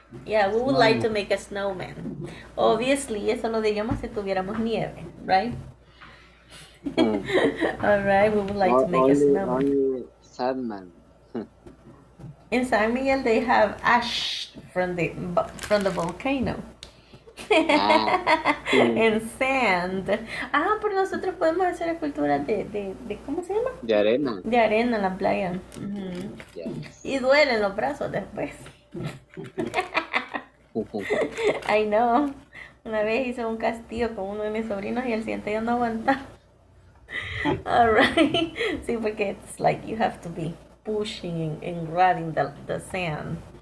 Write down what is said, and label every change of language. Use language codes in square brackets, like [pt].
[en] Yeah, we would like to make a snowman. Obviously, [es] eso lo diríamos si tuviéramos nieve, [en] right? All right, we would like to make a snowman. Sandman. In San Miguel, they have ash from the volcano. And sand. [es] Ah, pero nosotros podemos hacer esculturas de ¿cómo se llama? De arena. De arena en la playa. Mm-hmm. [en] Yes. [es] Y duelen los brazos después. [en] I know. [es] Una vez hice un castillo con uno de mis sobrinos y el siguiente ya no aguanta. [en] Alright. [es] Sí, porque [en] it's like you have to be pushing and grabbing the sand.